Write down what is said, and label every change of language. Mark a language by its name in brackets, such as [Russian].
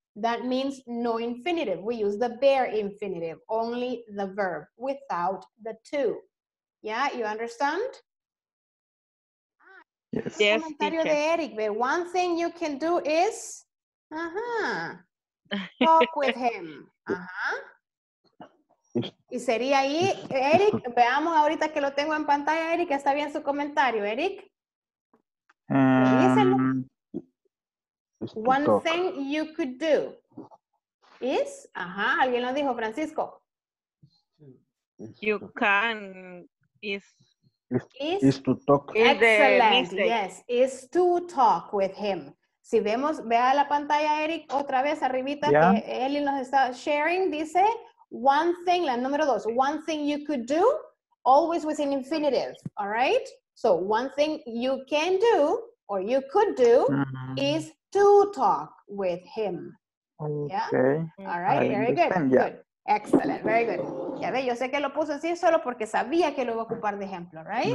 [English] That means no infinitive. We use the bare infinitive, only the verb without the two. Yeah, you understand? Yes. Yes, [Spanish] de Eric. [English] One thing you can do is talk with him. [Spanish] Y sería ahí, Eric, veamos ahorita que lo tengo en pantalla, Eric, está bien su comentario, Eric. [English] One thing you could do is, [Spanish] alguien lo dijo, [English] Francisco. You can, Is to talk. Excellent, yes, is to talk with him. [Spanish] Si vemos, vea la pantalla, Eric, otra vez arribita, yeah. Que Eli nos está [English] sharing, dice, one thing, [Spanish] la número dos, [English] one thing you could do, always with an infinitive, all right? So one thing you can do, or you could do, is to talk with him. Okay. Yeah? All right, very good. Yeah. Good. Excellent, very good. [Spanish] Ya ve, yo sé que lo puso así solo porque sabía que lo iba a ocupar de ejemplo, right?